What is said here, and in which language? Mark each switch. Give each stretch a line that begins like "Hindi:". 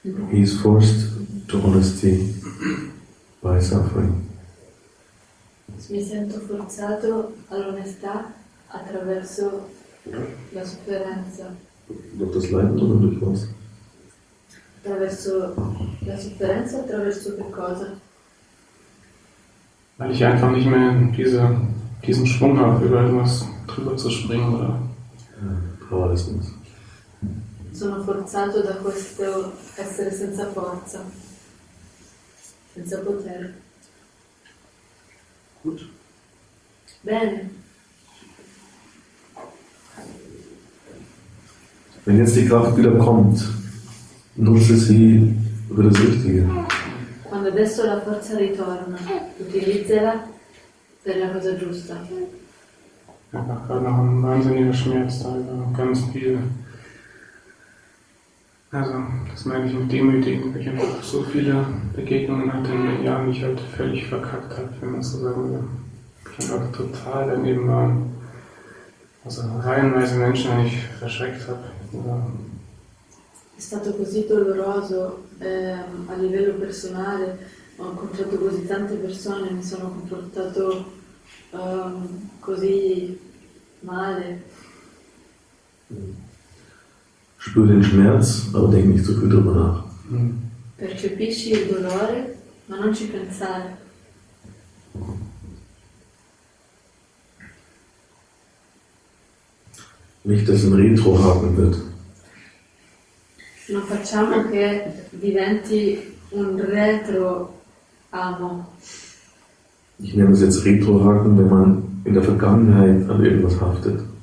English: He is forced to honesty by suffering.
Italian: Mi sento forzato all'onestà attraverso la sofferenza.
German: Durch das Leiden oder durch was?
Italian: Attraverso la sofferenza, attraverso che cosa?
German: Weil ich einfach nicht mehr diesen Schwung habe, über irgendwas drüber zu springen oder.
English: Powerlessness.
Italian: Sono forzato da questo essere senza forza, senza potere.
German: Gut.
Italian: Bene.
German: Wenn jetzt die Kraft wieder kommt, nutze sie über das Richtige.
Italian: Quando adesso la forza ritorna, utilizzala per la cosa giusta.
German: Einfach gerade noch ein wahnsinniger Schmerz da, ganz viel. Also, das meine ich mit demütigen, weil ich einfach so viele Begegnungen hatte in den Jahren, die ich halt völlig verkackt habe, wenn man so sagen will. Ich einfach total daneben war. Also, reihenweise Menschen, die ich verschreckt habe. Oder
Italian: è stato così doloroso a livello personale, ho incontrato così tante persone, mi sono comportato così male.
German: Spür den Schmerz, aber denk nicht so viel drüber nach.
Italian: Percepisci il dolore, ma non ci pensare.
German: Nicht, dass ein Retro haben wird.
Italian: Non facciamo che diventi un retro amo.
German: Ich nenne es jetzt Retrohaken, wenn man in der Vergangenheit an irgendwas haftet.